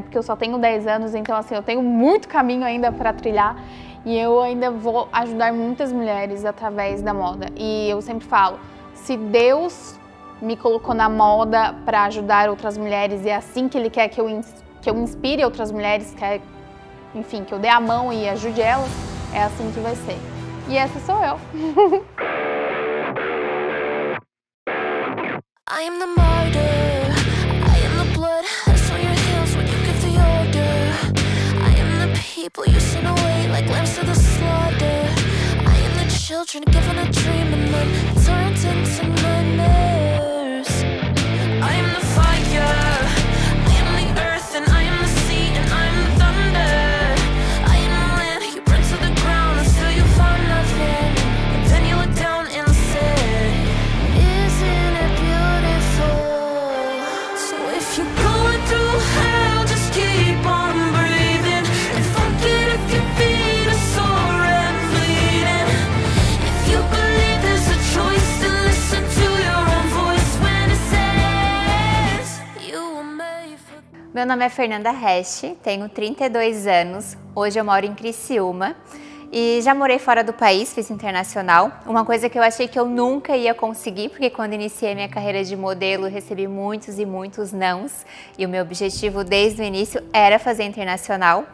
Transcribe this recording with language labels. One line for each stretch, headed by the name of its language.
Portuguese: Porque eu só tenho 10 anos, então assim, eu tenho muito caminho ainda para trilhar e eu ainda vou ajudar muitas mulheres através da moda. E eu sempre falo, se Deus me colocou na moda para ajudar outras mulheres e é assim que ele quer que eu inspire outras mulheres, quer, enfim, que eu dê a mão e ajude elas, é assim que vai ser. E essa sou eu.
English: I am the martyr, I am the blood, I saw your heels when you give the order. I am the people you sent away like lambs to the slaughter. I am the children given a dream and then turned into nightmares. I am the fire, I am the earth, and I am the sea, and I am the thunder. I am the land you burn to the ground until you find nothing, and then you look down and say, isn't it beautiful? So if you're going through hell, just keep on breathing, and fuck it if your feet are sore and bleeding. If you believe there's a choice, then listen to your own voice when it says you were made for.
Portuguese: Meu nome é Fernanda Hesch, tenho 32 anos, hoje eu moro em Criciúma. E já morei fora do país, fiz internacional, uma coisa que eu achei que eu nunca ia conseguir, porque quando iniciei minha carreira de modelo, recebi muitos e muitos nãos, e o meu objetivo desde o início era fazer internacional.